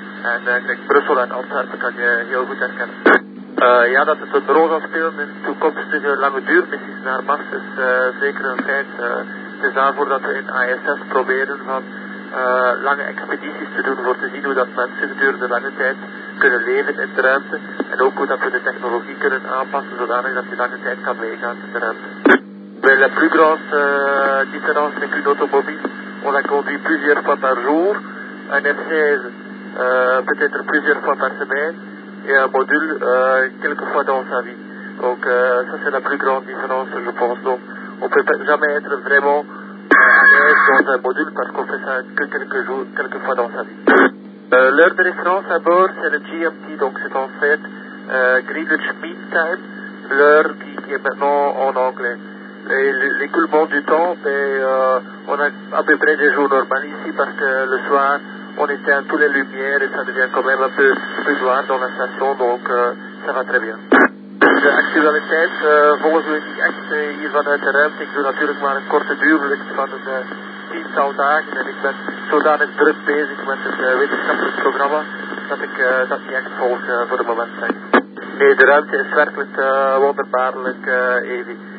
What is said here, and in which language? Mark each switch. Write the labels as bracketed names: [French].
[Dutch] En kijk, Brussel en Antwerpen kan je heel goed herkennen. Ja, dat het een rol zal spelen in toekomstige lange duurmissies naar Mars is zeker een feit. Het is daarvoor dat we in ISS proberen van lange expedities te doen voor te zien hoe dat mensen gedurende lange tijd kunnen leven in de ruimte. En ook hoe dat we de technologie kunnen aanpassen zodanig dat die lange tijd kan meegaan in de ruimte. [French] Bij la plus grande différence avec une automobile, on la conduit plusieurs fois par jour, un F-16 peut-être plusieurs fois par semaine, et un module quelques fois dans sa vie. Donc ça c'est la plus grande différence, je pense. Donc on ne peut jamais être vraiment à l'aise dans un module parce qu'on fait ça que quelques jours, quelques fois dans sa vie. L'heure de référence à bord, c'est le GMT, donc c'est en fait Greenwich Mean Time, l'heure qui est maintenant en anglais. Et l'écoulement du temps, on a à peu près des jours normaux ici parce que le soir, on éteint toutes les lumières et ça devient quand même un peu plus noir dans la station, donc ça va très bien. [Dutch] De actualiteit, volgens we echt hier vanuit de ruimte. Ik doe natuurlijk maar een korte duurlucht van een tiental dagen en ik ben zodanig druk bezig met het wetenschappelijk programma dat ik dat niet echt volg voor de moment. Zeg. Nee, de ruimte is werkelijk wonderbaarlijk, Evi.